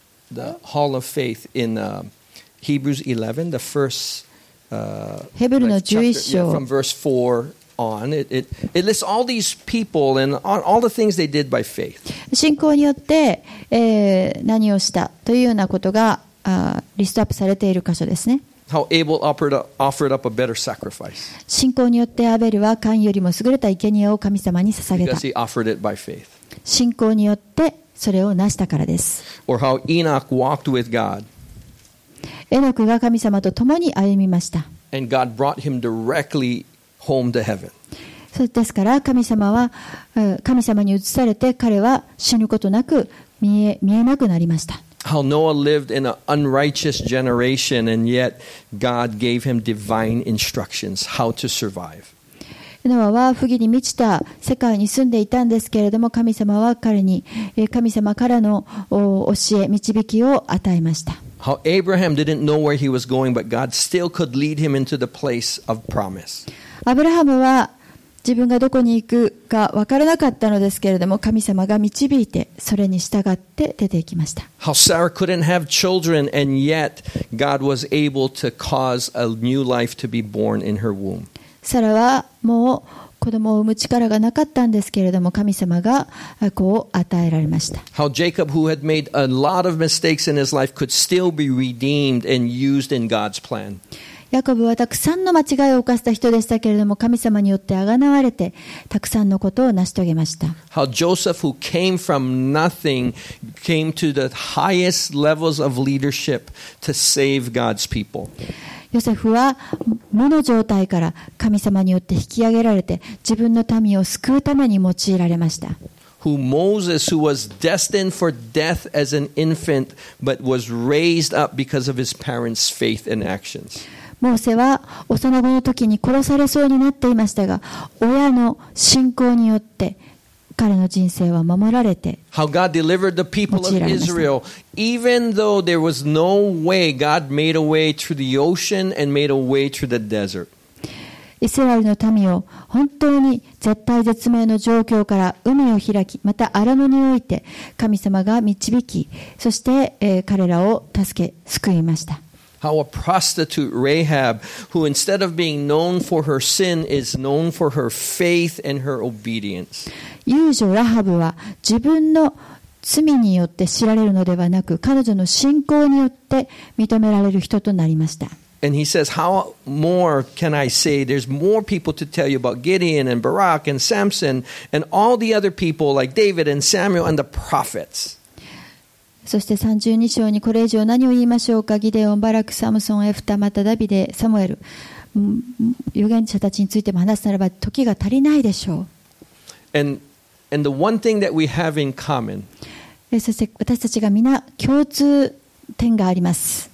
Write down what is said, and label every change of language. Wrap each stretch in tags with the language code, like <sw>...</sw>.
<en>The Hall of Faith in Hebrews 11, the first chapter, from verse 4 on. It lists all these people and all the things they did by faith.</en> <ja>信仰によって、何をしたというようなことが、リストアップされている箇所ですね。</ja> <en>How Abel offered up a better sacrifice.</en> <ja>信仰によってアベルは神よりも優れた生贄を神様に捧げた。</ja> <en>Because he offered it by faith.</en> <ja>信仰によってそれを成したからです。</ja> <en>Or how Enoch walked with God.</en> <ja>エノクが神様と共に歩みました。</ja> <en>And God brought him directly home to heaven.</en> <ja>そうですから神様に移されて彼は死ぬことなく見えなくなりました。</ja> <en>How Noah lived in an unrighteous generation and yet God gave him divine instructions how to survive.</en> <ja>ノアは不義に満ちた世界に住んでいたんですけれども神様は彼に神様からの教え導きを与えました。</ja> <en>How Abraham didn't know where he was going, but God still could lead him into the place of promise.</en> <ja>アブラハムは自分がどこに行くか分からなかったのですけれども神様が導いてそれに従って出て行きました。</ja> <en>How Sarah couldn't have children and yet God was able to cause a new life to be born in her womb.</en> <ja>サラはもう子供を産む力がなかったんですけれども神様が子を与えられました。</ja> <en>How Jacob, who had made a lot of mistakes in his life, could still be redeemed and used in God's plan.</en> <ja>ヤコブはたくさんの間違いを犯した人でしたけれども神様によってあがなわれてたくさんのことを成し遂げました。</ja> <en>How Joseph, who came from nothing, came to the highest levels of leadership to save God's people.</en> <ja>ヨセフは無の状態から神様によって引き上げられて自分の民を救うために用いられました。</ja> <en>Who Moses, who was destined for death as an infant, but was raised up because of his parents' faith and actions.</en> <ja>モーセは幼子の時に殺されそうになっていましたが親の信仰によって彼の人生は守られて用いられました。</ja> <en>How God delivered the people of Israel, even though there was no way, God made a way through the ocean and made a way through the desert.</en> <ja>イスラエルの民を本当に絶体絶命の状況から海を開き、また荒野において神様が導き、そして彼らを助け救いました。</ja> <en>How a prostitute Rahab, who instead of being known for her sin, is known for her faith and her obedience.</en> <ja>遊女ラハブは自分の罪によって知られるのではなく、彼女の信仰によって認められる人となりました。</ja> <en>And he says, how more can I say? There's more people to tell you about Gideon and Barak and Samson and all the other people like David and Samuel and the prophets.</en> <ja>そして32章にこれ以上何を言いましょうか。ギデオン、バラク、サムソン、エフタ、またダビデ、サムエル。預言者たちについても話すならば時が足りないでしょう。</ja> <en>And the one thing that we have in common.</en> <ja>そして私たちが皆共通点があります。</ja>